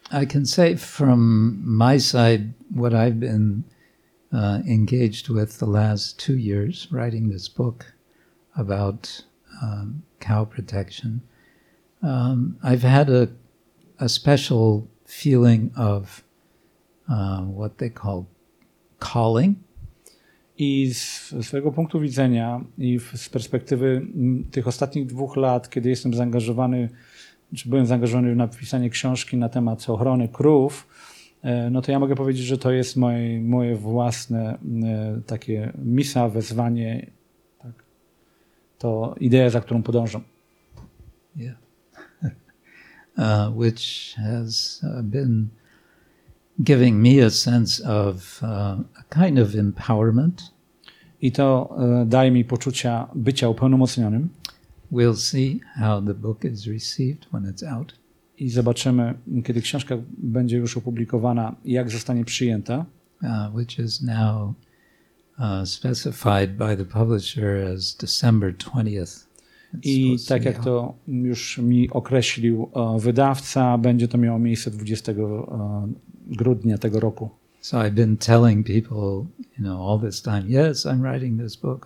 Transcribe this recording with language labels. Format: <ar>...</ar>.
<en>I can say from my side what I've been engaged with the last 2 years writing this book about cow protection. I've had a special feeling of what they call calling.</en> <pl>I z swojego punktu widzenia i z perspektywy tych ostatnich 2 lat, kiedy jestem zaangażowany, czy byłem zaangażowany w napisanie książki na temat ochrony krów, no to ja mogę powiedzieć, że to jest moje własne takie misja, wezwanie, tak? To idea, za którą podążam.</pl> <en>Yeah. Which has been giving me a sense of a kind of empowerment.</en> <pl>I to daje mi poczucia bycia upełnomocnionym.</pl> <en>We'll see how the book is received when it's out.</en> <pl>I zobaczymy, kiedy książka będzie już opublikowana, jak zostanie przyjęta.</pl> <en>Which is now specified by the publisher as December 20th.</en> <pl>I tak jak to już mi określił wydawca, będzie to miało miejsce 20 grudnia tego roku.</pl> <en>So I've been telling people, you know, all this time, yes, I'm writing this book.</en>